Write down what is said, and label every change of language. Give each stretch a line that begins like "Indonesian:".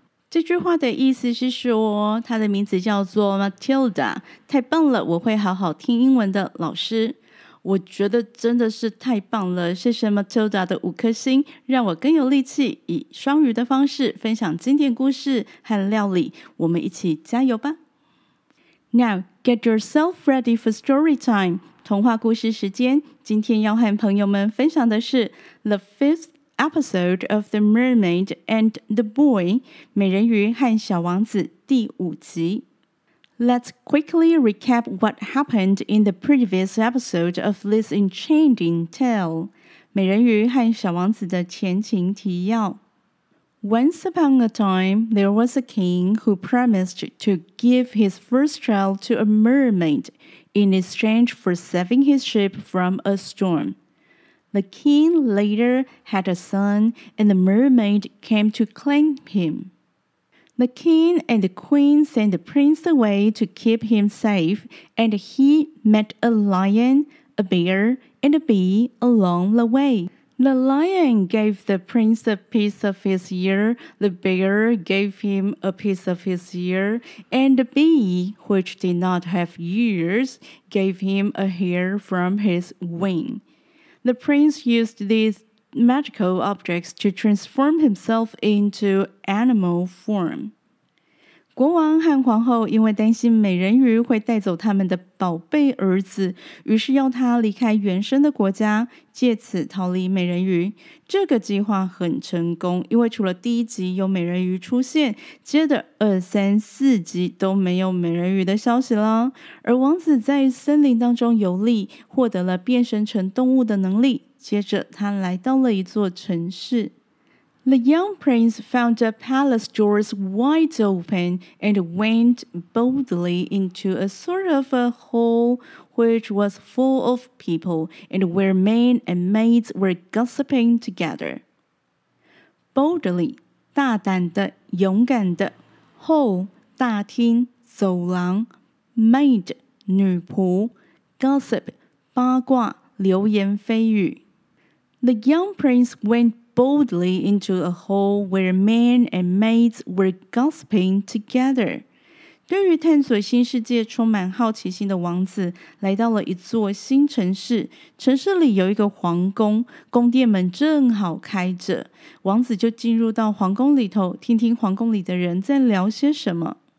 Chinese: 这句话的意思是说，他的名字叫做 Matilda， 太棒了，我会好好听英文的，老师。我觉得真的是太棒了，谢谢 Matilda 的五颗星，让我更有力气以双语的方式分享经典故事和料理，我们一起加油吧。
English: Now, get yourself ready for story time,
Chinese: 童话故事时间。今天要和朋友们分享的是 The Fifth Episode of The Mermaid and the Boy, 美人鱼和小王子第五集。
English: Let's quickly recap what happened in the previous episode of this enchanting tale.
Chinese: 美人鱼和小王子的前情提要。
English: Once upon a time, there was a king who promised to give his first child to a mermaid in exchange for saving his ship from a storm. The king later had a son, and the mermaid came to claim him. The king and the queen sent the prince away to keep him safe, and he met a lion, a bear, and a bee along the way. The lion gave the prince a piece of his ear, the bear gave him a piece of his ear, and the bee, which did not have ears, gave him a hair from his wing. The prince used these magical objects to transform himself into animal form.
Chinese: 国王和皇后因为担心美人鱼会带走他们的宝贝儿子，于是要他离开原生的国家，借此逃离美人鱼。这个计划很成功，因为除了第一集有美人鱼出现，接着二三四集都没有美人鱼的消息了。而王子在森林当中游历，获得了变身成动物的能力，接着他来到了一座城市。
English: The young prince found the palace doors wide open and went boldly into a sort of a hall which was full of people and where men and maids were gossiping together.
Chinese: Boldly, 大胆的、勇敢的 hall, 大厅、走廊 maid, 女仆 gossip, 八卦、流言蜚语
English: The young prince went boldly into a hall where men and maids were gossiping together.
Chinese: 对于探索新世界充满好奇心的王子来到了一座新城市，城市里有一个皇宫，宫殿门正好开着，王子就进入到皇宫里头，听听皇宫里的人在聊些什么。